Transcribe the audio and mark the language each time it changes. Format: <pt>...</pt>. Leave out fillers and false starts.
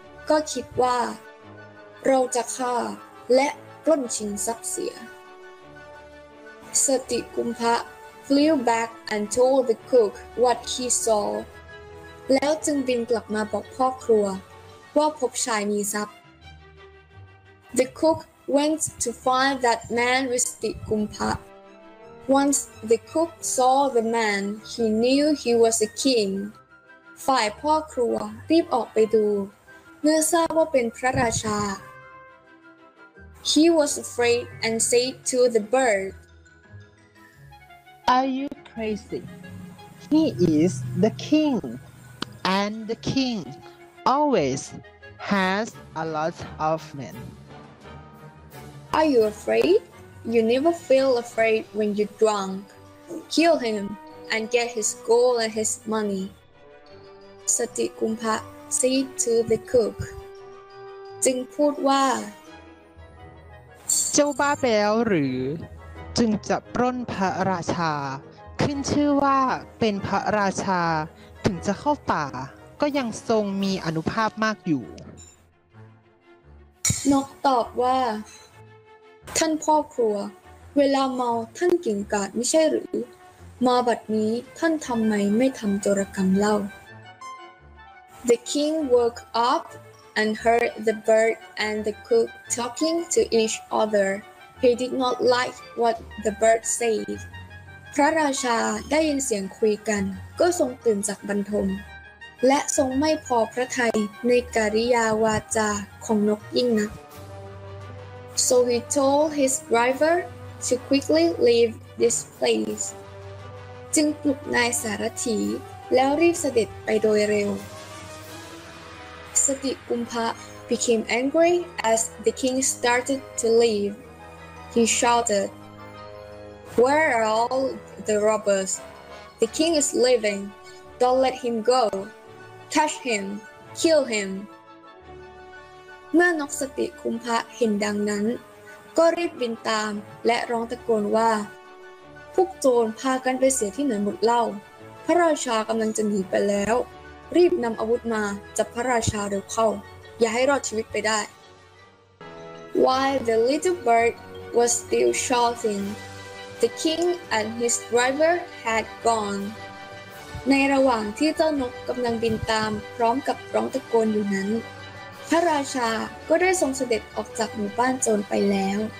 <th>ก็คิดว่าเราจะฆ่าและปล้นชิงทรัพย์เสีย</th> <en>สติกุมภะ flew back and told the cook what he saw.</en> <th>แล้วจึงบินกลับมาบอกพ่อครัวว่าพบชายมีทรัพย์</th> <en>The cook went to find that man with Sati Kumpha. Once the cook saw the man, he knew he was a king.</en> <th>ฝ่ายพ่อครัวรีบออกไปดูเมื่อทราบว่าเป็นพระราชา</th> <en>He was afraid and said to the bird Are you crazy? He is the king and the king always has a lot of men Are you afraid? You never feel afraid when you're drunk Kill him and get his gold and his moneyสติกุมภะ said to the cook</en> <th>จึงพูดว่า เจ้าบ้าไปแล้วหรือจึงจะปล้นพระราชาขึ้นชื่อว่าเป็นพระราชาถึงจะเข้าป่าก็ยังทรงมีอนุภาพมากอยู่นกตอบว่าท่านพ่อครัวเวลาเมาท่านเก่งกาจไม่ใช่หรือมาบัดนี้ท่านทำไมไม่ทำโจรกรรมเล่า</th> <en>The king woke up and heard the bird and the cook talking to each other. He did not like what the bird said.</en> <th>พระราชาได้ยินเสียงคุยกันก็ทรงตื่นจากบรรทมและทรงไม่พอพระทัยในกริยาวาจาของนกยิ่งนัก</th> <en>So he told his driver to quickly leave this place.</en> <th>จึงปลุกนายสารถีแล้วรีบเสด็จไปโดยเร็ว</th> <en>Satikumpha became angry as the king started to leave. He shouted, Where are all the robbers? The king is leaving. Don't let him go. Catch him. Kill him.</en> <th>เมื่อนกสติกุมภะเห็นดังนั้นก็รีบบินตามและร้องตะโกนว่าพวกโจรพากันไปเสียที่ไหนหมดเล่าพระราชากำลังจะหนีไปแล้วรีบนำอาวุธมาจับพระราชาเร็วเข้าอย่าให้รอดชีวิตไปได้</th> <en>While the little bird was still shouting, the king and his driver had gone.</en> <th>ในระหว่างที่เจ้านกกำลังบินตามพร้อมกับร้องตะโกนอยู่นั้นพระราชาก็ได้ทรงเสด็จออกจากหมู่บ้านโจรไปแล้ว</th>